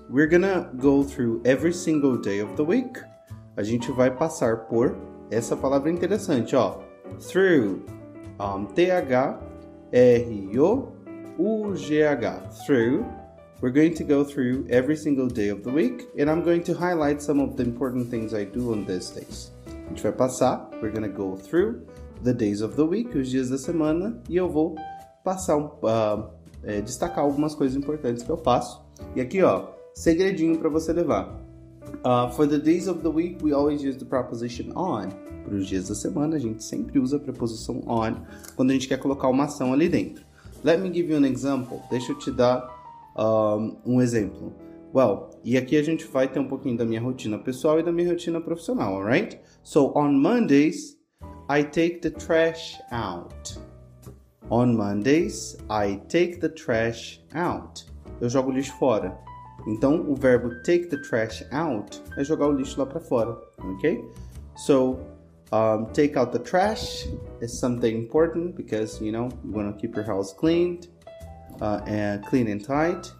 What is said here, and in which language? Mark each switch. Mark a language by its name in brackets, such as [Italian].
[English] We're gonna go through every single day of the week. [Portuguese] A gente vai passar por essa palavra interessante, ó. [English] Through, T-H-R-U-G-H, through, we're going to go through every single day of the week, and I'm going to highlight some of the important things I do on these days. [Portuguese] A gente vai passar, [English] we're going to go through the days of the week, [Portuguese] os dias da semana, e eu vou passar, destacar algumas coisas importantes que eu faço. E aqui, ó, segredinho para você levar. [English] For the days of the week, we always use the preposition on. [Portuguese] Para os dias da semana, a gente sempre usa a preposição on quando a gente quer colocar uma ação ali dentro. [English] Let me give you an example. [Portuguese] Deixa eu te dar um exemplo. Well, e aqui a gente vai ter um pouquinho da minha rotina pessoal e da minha rotina profissional, alright? [English] So, on Mondays, I take the trash out. On Mondays, I take the trash out. [Portuguese] Eu jogo o lixo fora. Então, o verbo take the trash out é jogar o lixo lá para fora, ok? [English] So, take out the trash is something important because, you know, you want to keep your house cleaned, clean and tight.